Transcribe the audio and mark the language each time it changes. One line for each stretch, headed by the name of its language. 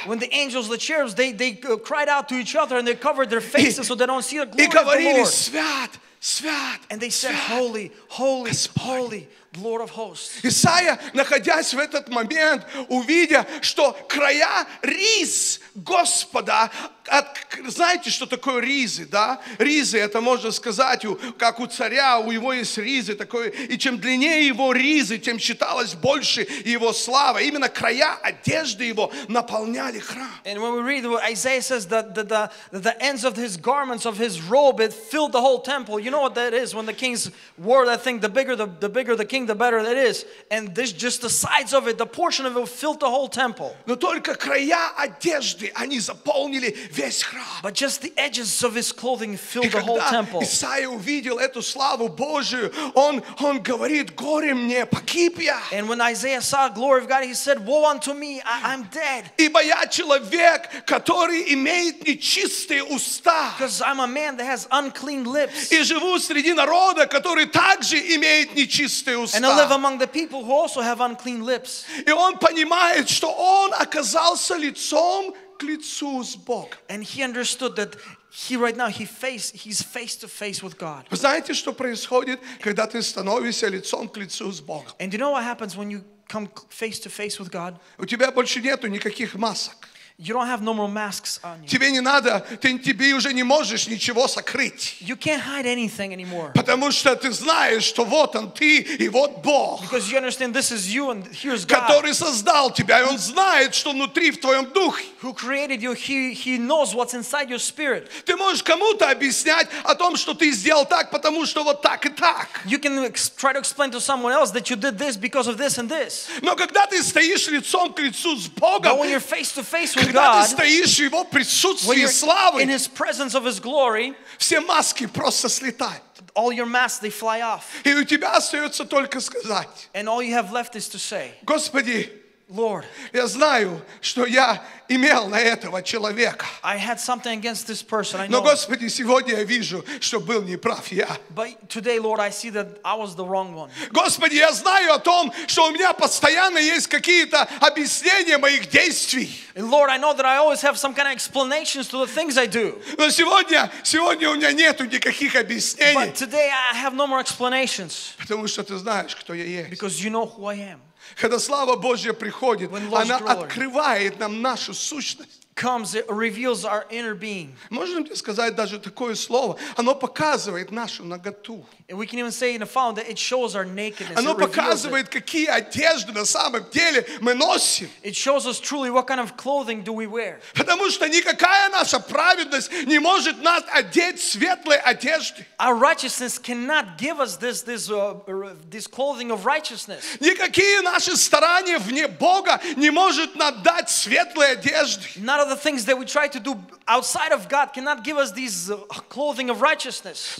English: When the angels, the cherubs, they cried out to each other and they covered their faces so they don't see the glory of the Lord.
Russian: И говорили: свят, свят,
English: and they said,
Russian: свят,
English: holy, holy, holy, Lord of hosts.
Russian: Исаия, находясь в этот момент, увидя, что края рис Господа, знаете, что такое ризы, да? Ризы, это можно сказать, как у царя, у него есть ризы такое, и чем длиннее его ризы, тем считалось больше его слава. Именно края одежды его наполняли храм.
English: And when we read, Isaiah says that the ends of his garments, of his robe, it filled the whole temple. You know what that is? When the kings wore that thing, the bigger the king, the better it is. And this, just the sides of it, the portion of it, filled the whole temple.
Russian: Но только края одежды, они заполнили весь храм.
English: But just the edges of his clothing filled the whole temple.
Russian: И когда Исаия увидел эту славу Божию, он говорит: горе мне, погиб я.
English: And when Isaiah saw the glory of God, he said, woe unto me, I'm dead.
Russian: Ибо я человек, который имеет нечистые уста.
English: Because I'm a man that has unclean lips.
Russian: И живу среди народа, который также имеет нечистые уста.
English: And I live among the people who also have unclean lips.
Russian: И он понимает, что он оказался лицом к лицу с Богом.
English: And he understood that he right now he's face to face with God.
Russian: Вы знаете, что происходит, когда ты становишься лицом к лицу с Богом?
English: And you know what happens when you come face to face with God?
Russian: У тебя больше нету никаких масок.
English: You don't have no more masks on you.
Russian: Тебе не надо, тебе уже не можешь ничего сокрыть.
English: You can't hide anything anymore.
Russian: Потому что ты знаешь, что вот он ты и вот Бог.
English: Because you understand this is you and here's God.
Russian: Который создал тебя, и он знает, что внутри в твоем духе.
English: Who created you, he knows what's inside your spirit.
Russian: Ты можешь кому-то объяснять о том, что ты сделал так, потому что вот так и так.
English: You can try to explain to someone else that you did this because of this and this.
Russian: Но когда ты стоишь лицом к лицу с Богом,
English: but when you're face to face with God,
Russian: когда ты стоишь в Его присутствии славы,
English: in His presence of His glory,
Russian: все маски просто слетают.
English: All your masks, they fly off.
Russian: И у тебя остается только сказать:
English: and all you have left is to say,
Russian: Господи,
English: Lord,
Russian: я знаю, что я имел на этого человека.
English: I had something against this person. I
Russian: know. Но, Господи, сегодня я вижу, что был неправ я.
English: But today, Lord, I see that I was the wrong one.
Russian: Господи, я знаю о том, что у меня постоянно есть какие-то объяснения моих действий.
English: Lord, I know that I always have some kind of explanations to the things I do.
Russian: Но сегодня у меня нету никаких объяснений.
English: But today I have no more explanations.
Russian: Потому что ты знаешь, кто я есть.
English: Because you know who I am.
Russian: Когда слава Божья приходит, она открывает нам нашу сущность.
English: Comes, it reveals our inner being.
Russian: Можно мне сказать даже такое слово? Оно показывает нашу наготу.
English: And we can even say in a fall that it shows our nakedness.
Russian: Оно показывает, какие одежды на самом деле мы носим.
English: It shows us truly what kind of clothing do we wear.
Russian: Потому что никакая наша праведность не может нас одеть в светлой одежды.
English: Our righteousness cannot give us this clothing of righteousness.
Russian: Никакие наши старания вне Бога не может нам дать светлые одежды.
English: None of the things that we try to do outside of God cannot give us this clothing of righteousness.